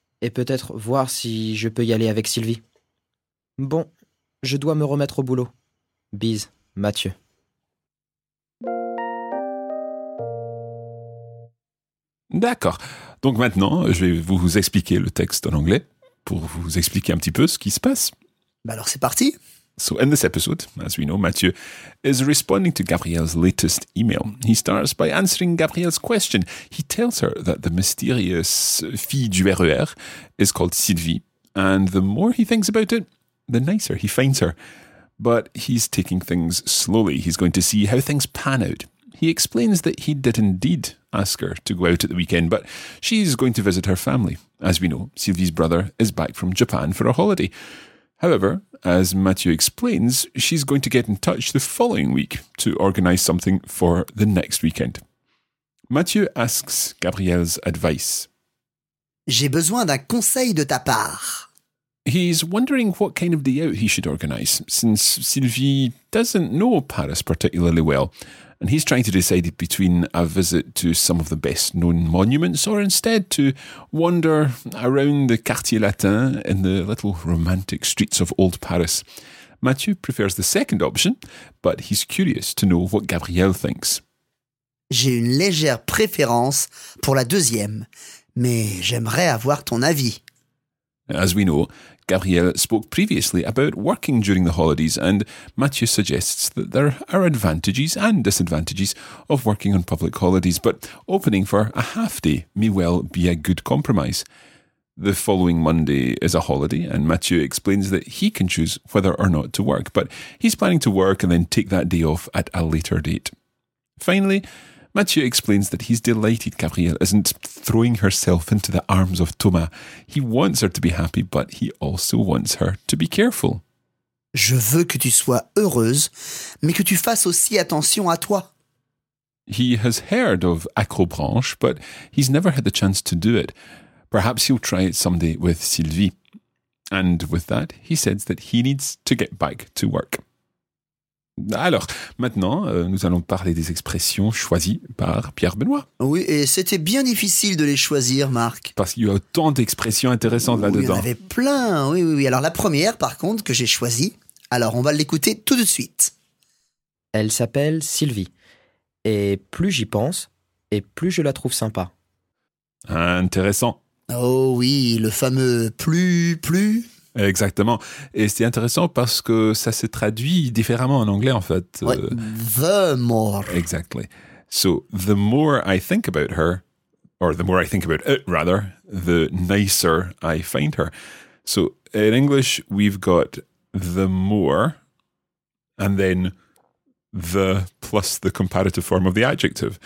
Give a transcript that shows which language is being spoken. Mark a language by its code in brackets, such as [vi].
[fr] Et peut-être voir si je peux y aller avec Sylvie. Bon, je dois me remettre au boulot. Bise, Mathieu. D'accord. Donc maintenant, je vais vous expliquer le texte en anglais pour vous expliquer un petit peu ce qui se passe. Bah alors c'est parti. [en] So in this episode, as we know, Mathieu is responding to Gabrielle's latest email. He starts by answering Gabrielle's question. He tells her that the mysterious [fr] fille du RER [en] is called Sylvie, and the more he thinks about it, the nicer he finds her. But he's taking things slowly. He's going to see how things pan out. He explains that he did indeed ask her to go out at the weekend, but she's going to visit her family. As we know, Sylvie's brother is back from Japan for a holiday. However, as Mathieu explains, she's going to get in touch the following week to organise something for the next weekend. Mathieu asks Gabrielle's advice. [fr] J'ai besoin d'un conseil de ta part. [en] He's wondering what kind of day out he should organise, since Sylvie doesn't know Paris particularly well, and he's trying to decide between a visit to some of the best-known monuments or instead to wander around the Quartier Latin in the little romantic streets of old Paris. Mathieu prefers the second option, but he's curious to know what Gabrielle thinks. [fr] J'ai une légère préférence pour la deuxième, mais j'aimerais avoir ton avis. [en] As we know, Gabrielle spoke previously about working during the holidays, and Mathieu suggests that there are advantages and disadvantages of working on public holidays, but opening for a half day may well be a good compromise. The following Monday is a holiday, and Mathieu explains that he can choose whether or not to work, but he's planning to work and then take that day off at a later date. Finally, Mathieu explains that he's delighted Gabrielle isn't throwing herself into the arms of Thomas. He wants her to be happy, but he also wants her to be careful. [fr] Je veux que tu sois heureuse, mais que tu fasses aussi attention à toi. [en] He has heard of Acrobranche, but he's never had the chance to do it. Perhaps he'll try it someday with Sylvie. And with that, he says that he needs to get back to work. [fr] Alors, maintenant, nous allons parler des expressions choisies par Pierre Benoît. Oui, et c'était bien difficile de les choisir, Marc. Parce qu'il y a tant d'expressions intéressantes oui, là-dedans. Il y en avait plein, oui, oui, oui. Alors la première, par contre, que j'ai choisie, alors on va l'écouter tout de suite. Elle s'appelle Sylvie. Et plus j'y pense, et plus je la trouve sympa. Intéressant. Oh oui, le fameux « plus ». Exactement. Et c'est intéressant parce que ça se traduit différemment en anglais, en fait. [en] Ouais, the more. Exactly. So, the more I think about her, or the more I think about it, rather, the nicer I find her. So, in English, we've got the more, and then the plus the comparative form of the adjective.